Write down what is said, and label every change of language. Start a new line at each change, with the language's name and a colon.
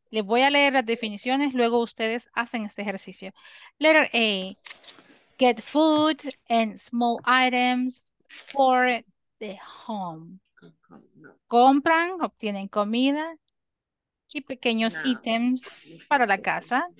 Spanish: Les voy a leer las definiciones, luego ustedes hacen este ejercicio.
English: Letter A, get food and small items for the home.
Spanish: Compran, obtienen comida y pequeños ítems para la casa.